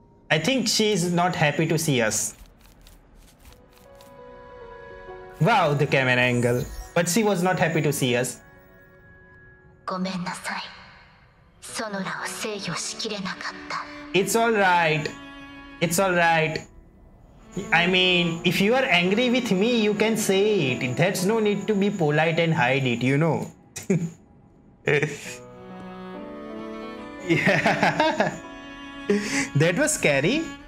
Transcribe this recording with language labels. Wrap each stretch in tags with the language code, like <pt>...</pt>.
<en>I think she is not happy to see us. Wow, the camera angle. But she was not happy to see us.</en> <ja>ごめんなさい。ソノラを制御しきれなかった。</ja> <en>It's all right. It's all right. I mean, if you are angry with me, you can say it. There's no need to be polite and hide it, you know. Yeah. That was scary.</en>